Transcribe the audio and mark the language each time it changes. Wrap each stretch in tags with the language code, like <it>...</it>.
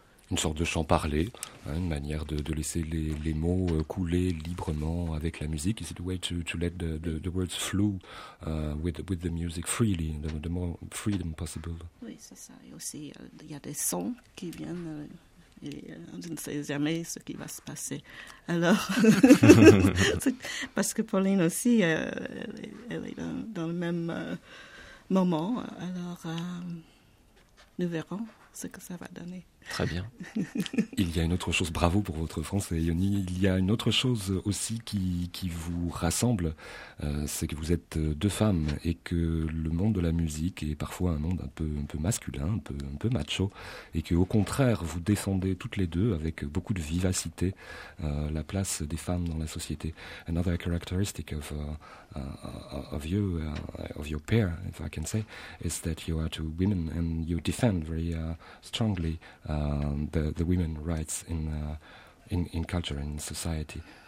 <fr>Une sorte de chant parlé, hein, une manière de laisser les mots couler librement avec la musique.</fr> <en>Is it a way to let the words flow with the music freely, the more freedom possible?</en> <fr>Oui, c'est ça. Et aussi, il y a des sons qui viennent. Je ne sais jamais ce qui va se passer. Alors, parce que Pauline aussi, elle est dans le même moment. Alors, nous verrons ce que ça va donner. Très bien. Il y a une autre chose, bravo pour votre français, Yoni. Il y a une autre chose aussi qui vous rassemble, c'est que vous êtes deux femmes et que le monde de la musique est parfois un monde un peu masculin, un peu macho, et qu'au contraire, vous défendez toutes les deux avec beaucoup de vivacité la place des femmes dans la société.</fr> <en>Another characteristic of your pair, if I can say, is that you are two women and you defend very strongly the women rights in culture and society.</en>